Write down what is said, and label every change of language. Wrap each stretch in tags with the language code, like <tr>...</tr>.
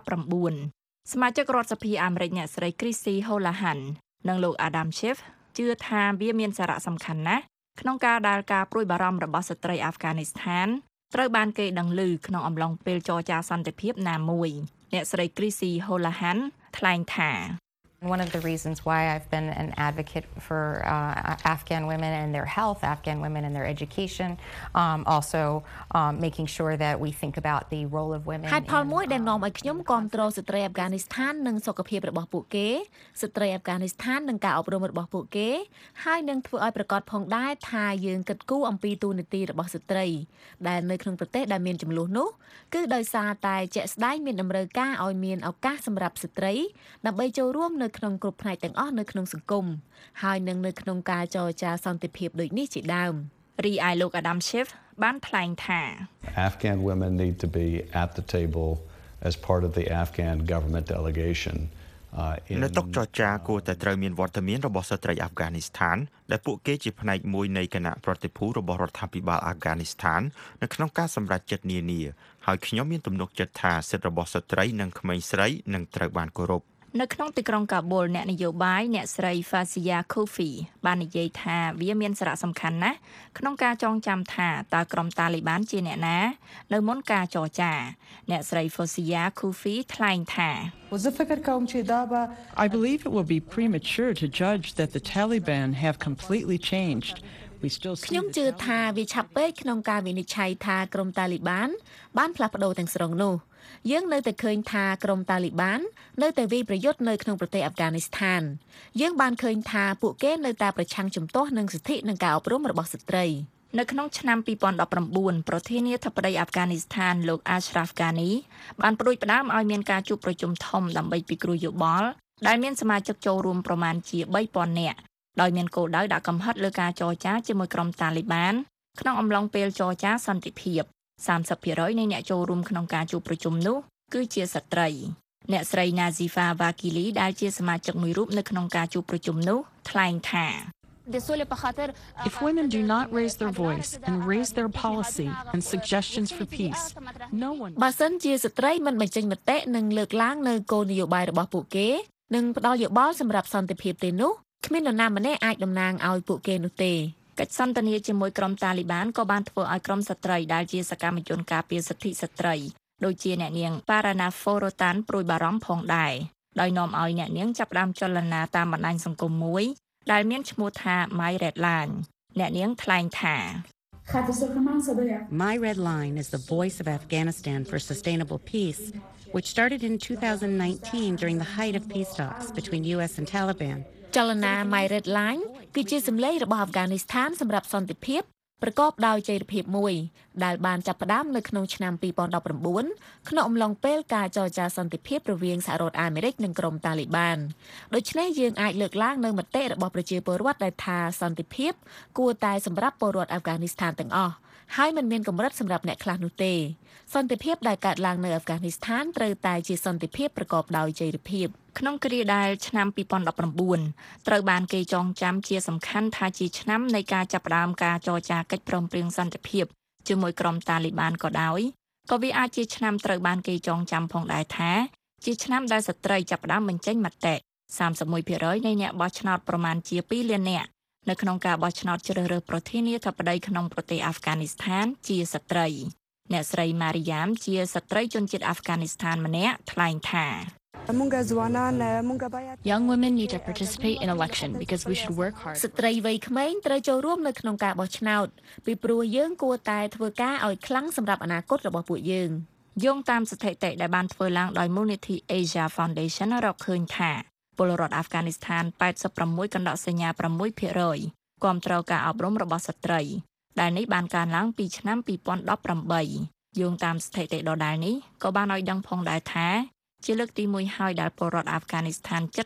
<km>2019សមាជិករដ្ឋសភាអាមេរិកអ្នកស្រីគ្រីស៊ីហូឡាហាន់និងលោកអាដាមឈីហ្វជឿថាវាមានសារៈសំខាន់ណាស់ក្នុងការដាល់ការប្រួយបារម្ភរបស់ស្ត្រីអាហ្វហ្គានីស្ថានត្រូវបានគេដឹងឮក្នុងអំឡុងពេលចរចាសន្តិភាពណាមួយអ្នកស្រីគ្រីស៊ីហូឡាហាន់ថ្លែងថា</km> <en>One of the reasons why I've been an advocate for Afghan women and their health, Afghan women and their education, also making sure that we think about the role of women.</en> <km>ហើយផលមួយដែលនាំឲ្យខ្ញុំគាំទ្រស្ត្រីអាហ្វហ្គានីស្ថាននិងសុខភាពរបស់ពួកគេស្ត្រីអាហ្វហ្គានីស្ថាននិងការអប់រំរបស់ពួកគេហើយនឹងធ្វើឲ្យប្រកាសផងដែរថាយើងគិតគូរអំពីទូនាទីរបស់ស្ត្រីដែលនៅក្នុងប្រទេសដែលមានចំនួននោះគឺដោយសារតែជាក់ស្ដែងមានតម្រូវការឲ្យមានឱកាសសម្រាប់ស្ត្រីដើម្បីចូលរួមក្នុងក្របផ្នែកទាំងអស់នៅក្នុងសង្គមហើយនឹងនៅក្នុងការចរចាសន្តិភាពដូចនេះជាដើមរីឯលោកអាដាមឈីហ្វបានថ្លែងថា</km> <en>Afghan women need to be at the table as part of the Afghan government delegation</en> <km>នៅតុចរចាគួរតែត្រូវមានវត្តមានរបស់ស្ត្រីអាហ្វហ្គានីស្ថានដែលពួកគេជាផ្នែកមួយនៃគណៈប្រតិភូរបស់រដ្ឋាភិបាលអាហ្វហ្គានីស្ថាននៅក្នុងការសម្រេចចិត្តនានាហើយខ្ញុំមានទំនុកចិត្តថាសិទ្ធិរបស់ស្ត្រីនិងក្មេងស្រីនឹងត្រូវបានគោរព នៅក្នុងទីក្រុងកាប៊ុលអ្នកនយោបាយអ្នកស្រី Fasiya Kofi បាននិយាយថាវាមានសារៈសំខាន់ណាស់ក្នុងការចងចាំថាតើក្រុមតាលីបានជាអ្នកណានៅមុនការចរចាអ្នកស្រី Fasiya Kofi ថ្លែងថា</km> <en>I believe it will be premature to judge that the Taliban have completely changed.</en> <km>ខ្ញុំជឿថាវាឆាប់ពេកក្នុងការវិនិច្ឆ័យថាក្រុមតាលីបានបានផ្លាស់ប្ដូរទាំងស្រុងនោះយើងនៅតែឃើញថាក្រុមតាលីបាននៅតែវាយប្រយុទ្ធនៅក្នុងប្រទេសអាហ្វហ្គានីស្ថានយើងបានឃើញថាពួកគេនៅតែប្រឆាំងជំទាស់នឹងសិទ្ធិនិងការអប់រំរបស់ស្ត្រី នៅក្នុងឆ្នាំ2019ប្រធានាធិបតីអាហ្វហ្គានីស្ថានលោក Ashraf Ghani បានប្តួយផ្តើមឲ្យមានការជួបប្រជុំធំដើម្បីពិគ្រោះយោបល់ដែលមានសមាជិកចូលរួមប្រមាណជា 3,000 នាក់ដោយមានគោលដៅដាក់កំហិតលើការចរចាជាមួយក្រុមតាលីបានក្នុងអំឡុងពេលចរចាសន្តិភាព 30% នៃអ្នកចូលរួមក្នុងការជួបប្រជុំនោះគឺជាស្ត្រីអ្នកស្រី Nazifa Wakili ដែលជាសមាជិកមួយរូបនៅក្នុងការជួបប្រជុំនោះថ្លែងថា</km> <en>If women do not raise their voice and raise their policy and suggestions for peace, no one</en> <km>បើសិនជាស្ត្រីមិនបញ្ចេញមតិនិងលើកឡើងនូវគោលនយោបាយរបស់ពួកគេនិងផ្ដល់យោបល់សម្រាប់សន្តិភាពទេនោះគ្មាននរណាម្នាក់អាចតំណាងឲ្យពួកគេនោះទេ កិច្ចសន្ទនាជាមួយក្រុមតាលីបានក៏បានធ្វើឲ្យក្រុមស្ត្រីដែលជាសកម្មជនការពារសិទ្ធិស្ត្រីដូចជាអ្នកនាងប៉ារ៉ាណាហ្វូរ៉ូតានប្រួយបារម្ភផងដែរដោយនាំឲ្យអ្នកនាងចាប់ផ្ដើមចលនាតាមបណ្ដាញសង្គមមួយដែលមានឈ្មោះថា My Red Line អ្នកនាងថ្លែងថា</km> <en>My Red Line is the voice of Afghanistan for sustainable peace, which started in 2019 during the height of peace talks between US and Taliban.</en> <km>ចលនា My Red Line គឺជាសម្លេងរបស់អាហ្វហ្គានីស្ថានសម្រាប់សន្តិភាព ប្រកបដោយចីរភាពមួយដែលបានចាប់ផ្ដើមនៅក្នុងឆ្នាំ2019ក្នុងអំឡុងពេលការចរចាសន្តិភាពរវាងសហរដ្ឋអាមេរិកនិងក្រុមតាលីបានដូច្នេះយើងអាចលើកឡើងនៅមតិរបស់ប្រជាពលរដ្ឋដែលថាសន្តិភាពគួរតែសម្រាប់ពលរដ្ឋអាហ្វហ្គានីស្ថានទាំងអស់ហើយមិនមានកម្រិតសម្រាប់អ្នកខ្លះនោះទេសន្តិភាពដែលកើតឡើងនៅអាហ្វហ្គានីស្ថានត្រូវតែជាសន្តិភាពប្រកបដោយចីរភាព ក្នុងគ្រាដែលឆ្នាំ2019ត្រូវបានគេចងចាំជាសំខាន់ថាជាឆ្នាំនៃការចាប់ផ្ដើមការចរចាកិច្ចព្រមព្រៀងសន្តិភាពជាមួយក្រុមតាលីបានក៏ដោយក៏វាអាចជាឆ្នាំត្រូវបានគេចងចាំផងដែរថាជាឆ្នាំដែលស្ត្រីចាប់ផ្ដើមបញ្ចេញមតិ 31% នៃអ្នកបោះឆ្នោតប្រមាណជា2លាននាក់នៅក្នុងការបោះឆ្នោតជ្រើសរើសប្រធានាធិបតីក្នុងប្រទេសអាហ្វហ្គានីស្ថានជាស្ត្រីអ្នកស្រីម៉ារីយ៉ាមជាស្ត្រីជនជាតិអាហ្វហ្គានីស្ថានម្នាក់ថ្លែងថា</km> <en>Young women need to participate in election because we should work hard.</en> <km>ស្ត្រីវ័យក្មេងត្រូវចូលរួមនៅក្នុងការបោះឆ្នោតពីព្រោះយើងគួរតែធ្វើការឲ្យខ្លាំងសម្រាប់អនាគតរបស់ពួកយើង យោងតាមស្ថិតិដែលបានធ្វើឡើងដោយមូលនិធិ Asia Foundation រកឃើញថាពលរដ្ឋអាហ្វហ្គានីស្ថាន 86.6% គាំទ្រការអប់រំរបស់ស្ត្រីដែលនេះបានកើនឡើងពីឆ្នាំ2018យោងតាមស្ថិតិដដែលនេះក៏បានឲ្យដឹងផងដែរថាជាលើកទី1ហើយដែលពលរដ្ឋអាហ្វហ្គានីស្ថាន</km>